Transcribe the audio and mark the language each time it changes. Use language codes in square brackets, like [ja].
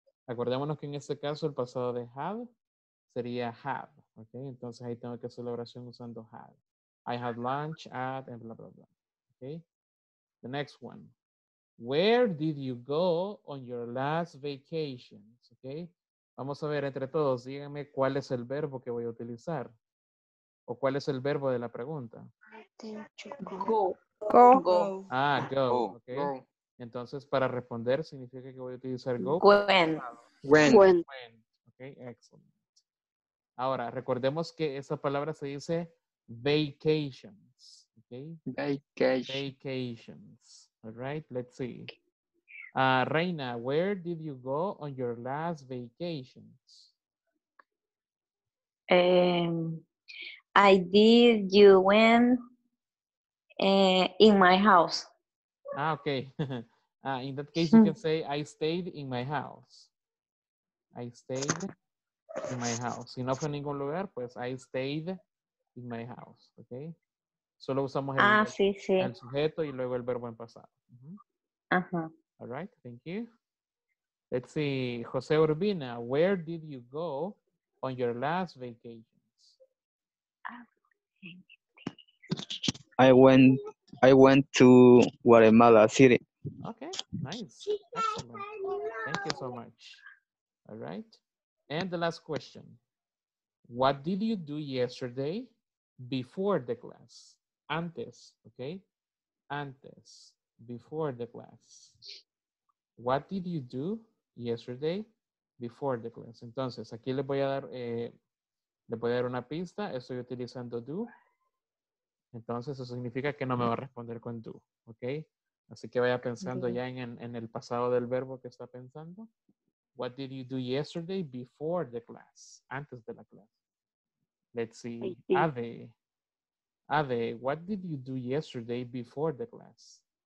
[es] Acordémonos que en este caso el pasado de have sería have. Okay, entonces ahí tengo que hacer la oración usando have. [en] I had lunch at and blah, blah, blah. Okay, the next one. Where did you go on your last vacation? [es] Okay. Vamos a ver entre todos. Díganme cuál es el verbo que voy a utilizar. O cuál es el verbo de la pregunta. [en] Go. [es] Ah, go. Okay. Entonces, para responder, significa que voy a utilizar go. [en] When. Okay, excellent. [es] Ahora, recordemos que esa palabra se dice vacations. Okay. [en] Vacations. All right, let's see. Reina, where did you go on your last vacations? In my house. Ah, okay. In that case, you can say, I stayed in my house. I stayed in my house. [es] Si no fue en ningún lugar, pues, [en] I stayed in my house. [es] Okay. Solo usamos el sujeto y luego el verbo en pasado. Uh-huh. [en] All right, thank you. Let's see, José Urbina, where did you go on your last vacations? I went to Guatemala City. Okay, nice. Excellent. Thank you so much. All right. And the last question. What did you do yesterday before the class? Antes, okay? Antes, before the class. What did you do yesterday before the class? [es] Entonces, aquí le voy a dar una pista. Estoy utilizando do. Entonces, eso significa que no me va a responder con do, okay? Así que vaya pensando ya en el pasado del verbo que está pensando. [en] What did you do yesterday before the class? [es] Antes de la clase. [en] Let's see. Ave, what did you do yesterday before the class?